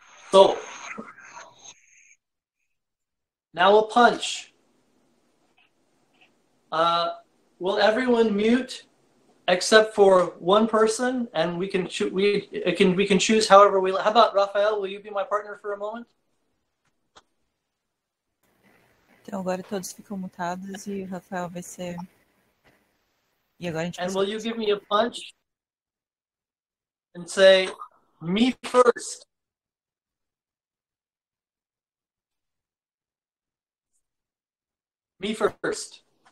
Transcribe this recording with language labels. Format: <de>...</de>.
<en>So, now a punch. Will everyone mute except for one person, and we can choose however we. How about Rafael? Will you be my partner for a moment?</en> <pt>Então agora todos ficam mutados e Rafael vai ser. E agora a gente.</pt> <en>And will you give me a punch and say me first? Me first.</en>